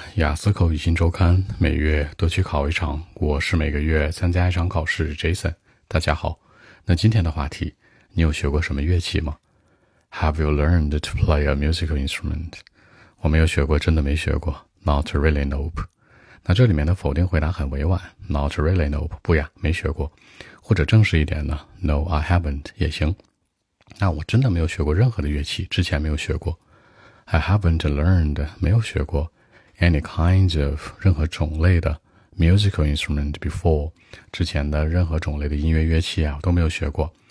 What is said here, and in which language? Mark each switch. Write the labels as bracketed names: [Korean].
[Chinese] 雅思口语新周刊，每月都去考一场，我是每个月参加一场考试 Jason。大家好，那今天的话题，你有学过什么乐器吗？ [English] Have you learned to play a musical instrument? [Chinese] 我没有学过，真的没学过。 [English] Not really, nope。 [Chinese] 那这里面的否定回答很委婉， Not really, nope， 不呀，没学过。或者正式一点呢， [English] No, I haven't [Chinese] 也行。那我真的没有学过任何的乐器，之前没有学过。 [English] I haven't learned, [Chinese] 没有学过 [English] any kind of, [Chinese] 任何种类的 [English] musical instrument before, [Chinese] 之前的任何种类的音乐乐器啊，都没有学过。